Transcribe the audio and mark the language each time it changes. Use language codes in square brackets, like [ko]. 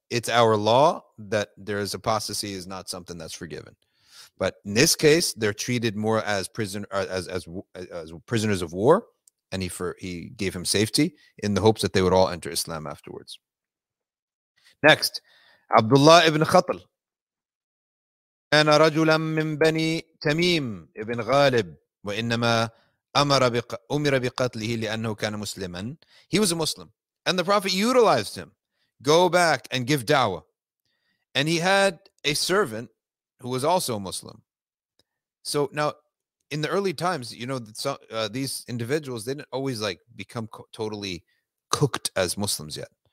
[en] It's our law that there is apostasy is not something that's forgiven. But in this case, they're treated more as prisoners of war. And he gave him safety in the hopes that they would all enter Islam afterwards. Next, Abdullah ibn Khatl. [ar] كان رجلا من بني تميم ابن غالب وإنما أمر بقتله لأنه كان مسلما. [en] He was a Muslim and the Prophet utilized him. Go back and give da'wah. And he had a servant who was also a Muslim. So now, in the early times, you know, these individuals, they didn't always like become totally cooked as Muslims yet.